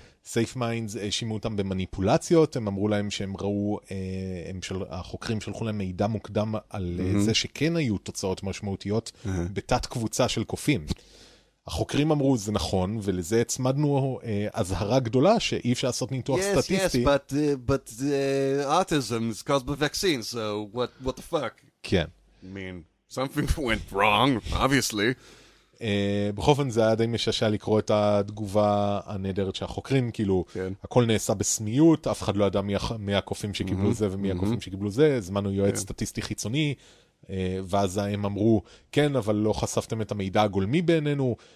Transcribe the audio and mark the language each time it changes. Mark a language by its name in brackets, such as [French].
[Hebrew] סייף מיינדס האשימו אותם במניפולציות, הם אמרו להם שהם ראו, החוקרים שלחו להם מידע מוקדם על זה שכן היו תוצאות משמעותיות בתת קבוצה של קופים. החוקרים אמרו, זה נכון, ולזה הצמדנו אזהרה גדולה שאי אפשר לעשות ניתוח סטטיסטי. [English] But autism is caused by vaccine, so what the fuck? [Hebrew] כן. [English] I mean, something went wrong, obviously. [Hebrew] בכל אופן זה היה די משעשע לקרוא את התגובה הנהדרת שהחוקרים, כאילו, הכל נעשה בסמיות, אף אחד לא ידע מי הקופים שקיבלו זה ומי הקופים שקיבלו זה, זמנו יועץ סטטיסטי חיצוני, ואז הם אמרו, כן, אבל לא חשפתם את המידע הגולמי בינינו.